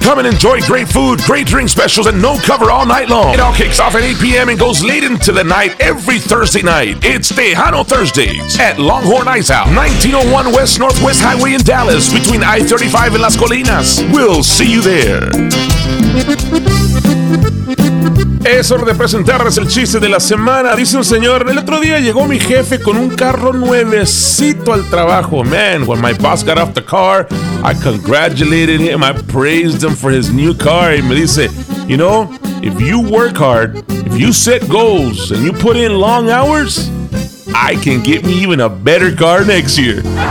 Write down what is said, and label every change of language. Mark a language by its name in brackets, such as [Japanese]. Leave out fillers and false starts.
[English] Come and enjoy great food, great drink specials, and no cover all night long. It all kicks off at 8 p.m. and goes late into the night every Thursday night. It's Tejano Thursdays at Longhorn Ice House, 1901 West Northwest Highway in Dallas, between I-35 and Las Colinas. We'll see you there. [Spanish] Es hora de presentarles el chiste de la semana. Dice un señor: el otro día llegó mi jefe con un carro nuevecito al trabajo. [English] Man, when my boss got off the car, I congratulated him, I praised him for his new car. [Spanish] Y me dice: [English] you know, if you work hard, if you set goals and you put in long hours, I can get me even a better car next year.